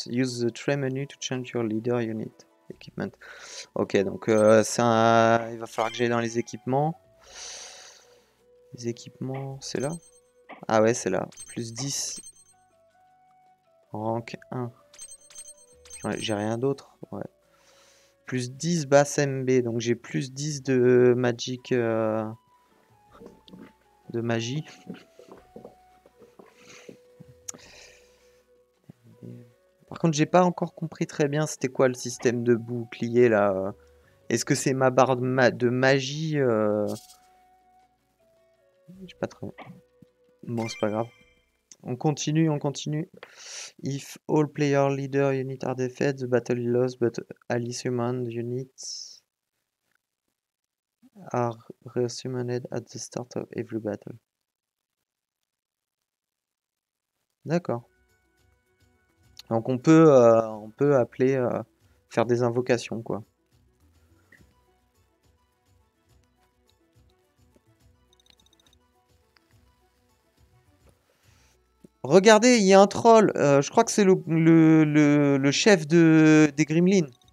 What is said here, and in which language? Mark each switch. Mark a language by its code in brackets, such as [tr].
[en] Use the tray menu to change your leader unit equipment. [fr] Ok, donc il va falloir que j'aille dans les équipements. Les équipements, c'est là. Ah ouais, c'est là. Plus 10. Rank 1. J'ai rien d'autre. Ouais. Plus 10 bass MB. Donc j'ai plus 10 de magic. De magie. Par contre, j'ai pas encore compris très bien c'était quoi le système de bouclier là. Est-ce que c'est ma barre de magie J'ai pas trop. Bon, c'est pas grave. On continue. [en] If all player leader units are defeated, the battle is lost, but all human units are resummoned at the start of every battle. [fr] D'accord. Donc on peut appeler, faire des invocations, quoi. Regardez, il y a un troll. Je crois que c'est le chef des Gremlins.